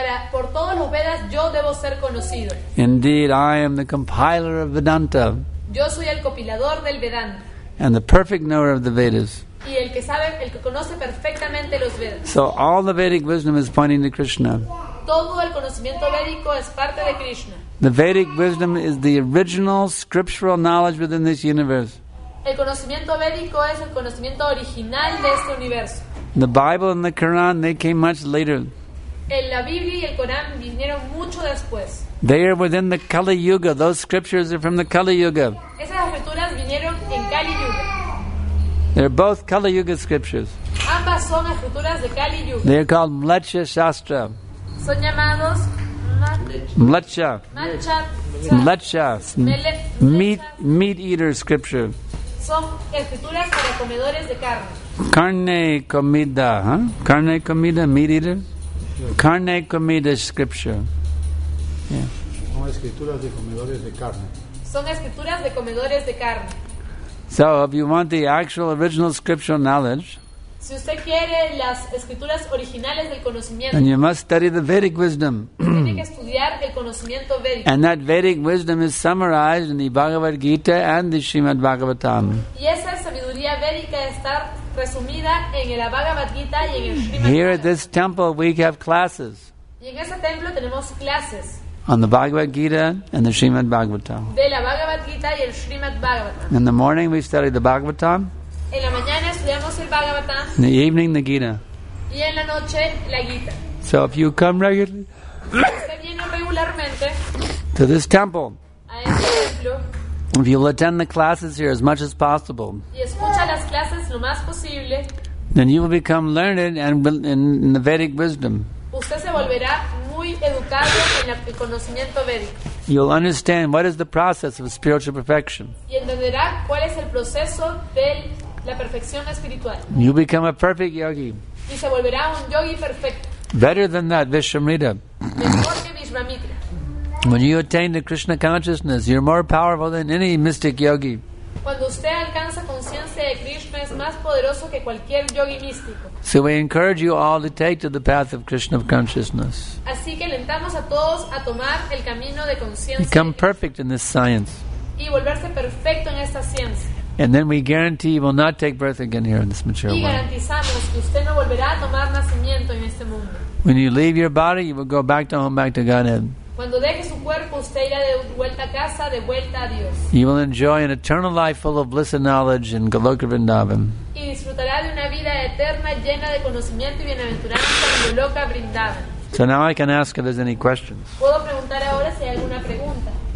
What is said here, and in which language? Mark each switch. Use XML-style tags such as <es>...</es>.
<es>Por todos los Vedas yo debo ser conocido.</es> <en>Indeed, I am the compiler of Vedanta.</en> <es>Yo soy el compilador del Vedanta.</es> <en>And the perfect knower of the Vedas.</en> <es>Y el que sabe, el que conoce perfectamente los Vedas.</es> <en>So all the Vedic wisdom is pointing to Krishna.</en> <es>Todo el conocimiento védico es parte de Krishna.</es> <en>The Vedic wisdom is the original scriptural knowledge within this universe.</en> <es>El conocimiento védico es el conocimiento original de este universo.</es> <en>The Bible and the Quran, they came much later.</en> <es>La Biblia y el Corán vinieron mucho después.</es> <en>They are within the Kali Yuga. Those scriptures are from the Kali Yuga.</en> <es>Esas escrituras vinieron en Kali Yuga.</es> <en>They're both Kali Yuga scriptures.</en> <es>Ambas son escrituras de Kali Yuga.</es> <en>They are called Mlecha Shastra.</en> <es>Son llamados Mlecha. Mlecha.</es> <en>Meat eater scripture.</en> <es>Son escrituras para comedores de carne. Carne comida, huh? Carne comida,</es> <en>meat eater.</en> <es>Carne comida scripture. Yeah. Son escrituras de comedores de carne. Son escrituras de comedores de carne.</es> <en>So, if you want the actual original scriptural knowledge,</en> <es>si usted quiere las escrituras originales del conocimiento,</es> <en>then you must study the Vedic wisdom.</en> <es>Tiene que estudiar el conocimiento védico.</es> <en>And that Vedic wisdom is summarized in the Bhagavad Gita and the Srimad Bhagavatam.</en> <es>Y esa sabiduría védica está resumida en la Bhagavad Gita y en el Srimad Bhagavatam.</es> <en>Here at this temple we have classes.</en> <es>Y en ese templo tenemos clases.</es> <en>On the Bhagavad Gita and the Srimad Bhagavatam.</en> <es>De la Bhagavad Gita y el Srimad Bhagavatam.</es> <en>In the morning we study the Bhagavatam.</en> <es>En la mañana estudiamos el Bhagavatam.</es> <en>In the evening the Gita.</en> <es>Y en la noche la Gita.</es> <en>So if you come regularly,</en> <es>usted viene regularmente</es> <en>to this temple,</en> <es>a este templo,</es> <en>if you'll attend the classes here as much as possible,</en> <es>y escucha las clases lo más posible,</es> <en>then you will become learned and in the Vedic wisdom.</en> <es>Usted se volverá muy educado en el conocimiento védico.</es> <en>You'll understand what is the process of spiritual perfection.</en> <es>Y entenderá cuál es el proceso de la perfección espiritual.</es> <en>You become a perfect yogi.</en> <es>Y se volverá un yogi perfecto.</es> <en>Better than that, Vishwamitra.</en> <es>Mejor que Vishwamitra.</es> <en>When you attain the Krishna consciousness, you're more powerful than any mystic yogi.</en> <es>Cuando usted alcanza conciencia de Krishna, es más poderoso que cualquier yogi místico.</es> <en>So we encourage you all to take to the path of Krishna consciousness.</en> <es>Así que alentamos a todos a tomar el camino de conciencia.</es> <en>Become perfect in this science.</en> <es>Y volverse perfecto en esta ciencia.</es> <en>And then we guarantee you will not take birth again here in this mature world.</en> <es>Y garantizamos que usted no volverá a tomar nacimiento en este mundo.</es> <en>When you leave your body, you will go back to home, back to Godhead.</en> <es>Cuando deje su cuerpo, usted irá de vuelta a casa, de vuelta a Dios.</es> <en>You will enjoy an eternal life full of bliss and knowledge in Goloka Vrindavan.</en> <es>Y disfrutará de una vida eterna llena de conocimiento y bienaventuranza en Goloka Vrindavan.</es> <en>So now I can ask if there's any questions.</en> <es>Puedo preguntar ahora si hay alguna pregunta.</es>